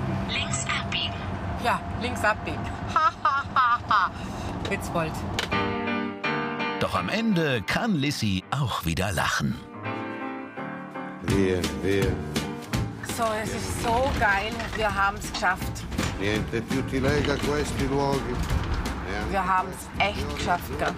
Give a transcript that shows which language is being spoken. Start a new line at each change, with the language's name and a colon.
German: Links abbiegen. Ja, links abbiegen. Hahaha, Witzbold. Doch am Ende kann Lissy auch wieder lachen. Wir. So, es ist so geil, wir haben es geschafft.
Italian: Niente più ti lega questi luoghi.
German: Wir haben es echt geschafft.